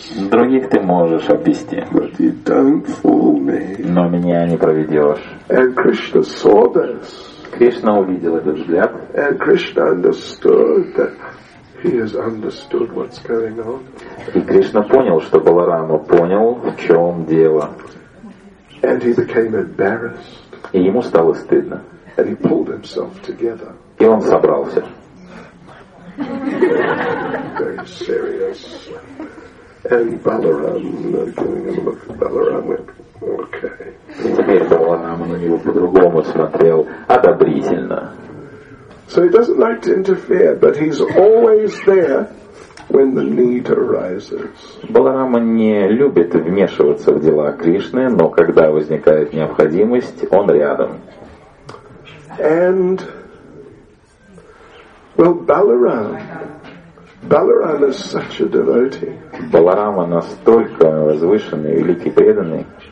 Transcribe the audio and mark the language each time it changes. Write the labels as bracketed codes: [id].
[ru] Других ты можешь обвести. [en] But you don't fool me. [ru] Но меня не проведешь. [en] And Krishna saw this. [ru] Кришна увидел этот взгляд. [en] And Krishna understood that he has understood what's going on. [ru] И Кришна понял, что Баларама понял, в чем дело. [en] And he became embarrassed. [ru] И ему стало стыдно. [en] And he pulled himself together. [ru] И он собрался. [en] Very serious. And Balaram, giving him a look, Balaram went, okay. [ru] И теперь Баларам на него по-другому смотрел, одобрительно. [en] So he doesn't like to interfere, but he's always there when the need arises. [ru] Баларама не любит вмешиваться в дела Кришны, но когда возникает необходимость, он рядом. [en] And well, Balaram is such a devotee. [ru] Баларама настолько возвышенный, великий преданный.